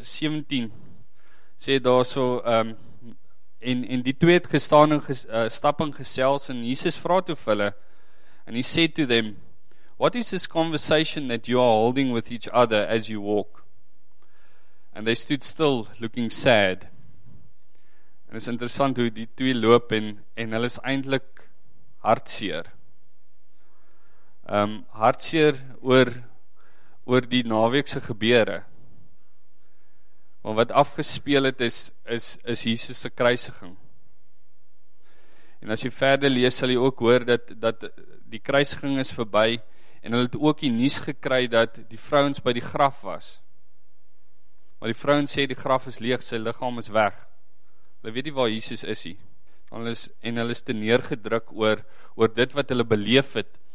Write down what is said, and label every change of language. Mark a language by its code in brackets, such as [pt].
[af] Vers 17 sê daar so, en die twee het gestaan en stapping gesels en Jesus vra toe vir hulle. En hy sê [en] to them, "What is this conversation that you are holding with each other as you walk?" And they stood still, looking sad. [af] En is interessant hoe die twee loop en hulle is eintlik hartseer. Hartseer oor die naweekse gebeure. Want wat afgespeel het is Jesus se kruisiging. En as jy verder lees, sal jy ook hoor dat die kruisiging is verby. En hulle het ook die nuus gekry dat die vrouens by die graf was. Maar die vrouens sê die graf is leeg, sy liggaam is weg. Hulle weet nie waar Jesus is nie. En hulle is teneergedruk oor dit wat hulle beleef het.